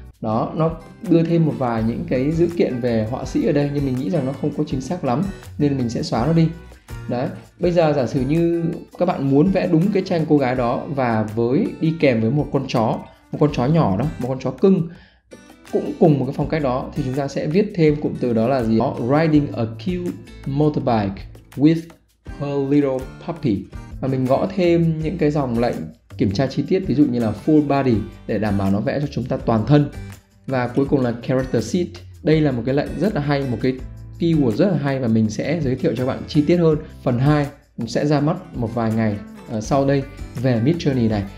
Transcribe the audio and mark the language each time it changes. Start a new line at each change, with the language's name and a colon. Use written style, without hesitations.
Vietnamese: Đó, nó đưa thêm một vài những cái dữ kiện về họa sĩ ở đây, nhưng mình nghĩ rằng nó không có chính xác lắm nên mình sẽ xóa nó đi. Đấy, bây giờ giả sử như các bạn muốn vẽ đúng cái tranh cô gái đó và với đi kèm với một con chó nhỏ đó, một con chó cưng cũng cùng một cái phong cách đó, thì chúng ta sẽ viết thêm cụm từ đó là gì?
English: Riding a cute motorbike with her little puppy.
Vietnamese: Và mình gõ thêm những cái dòng lệnh kiểm tra chi tiết, ví dụ như là full body để đảm bảo nó vẽ cho chúng ta toàn thân. Và cuối cùng là character sheet. Đây là một cái lệnh rất là hay, một cái keyword rất là hay, và mình sẽ giới thiệu cho các bạn chi tiết hơn. Phần 2 sẽ ra mắt một vài ngày sau đây về Midjourney này.